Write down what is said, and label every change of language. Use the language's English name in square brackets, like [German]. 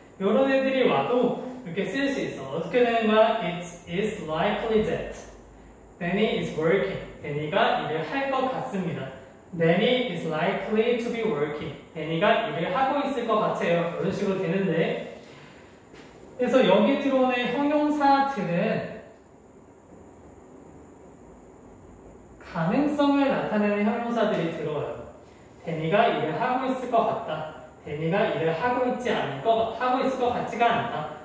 [Korean] 요런 애들이 와도 이렇게 쓸 수 있어. 어떻게 되는 거야? [English] It is likely that. Danny is working. [Korean] Danny가 일을 할 것 같습니다. [English] Danny is likely to be working. [Korean] Danny가 일을 하고 있을 것 같아요. 이런 식으로 되는데. 그래서 여기 들어오는 형용사들은 가능성을 나타내는 형용사들이 들어와요. 데니가 일을 하고 있을 것 같다. 데니가 일을 하고 있지 않을 것, 하고 있을 것 같지가 않다.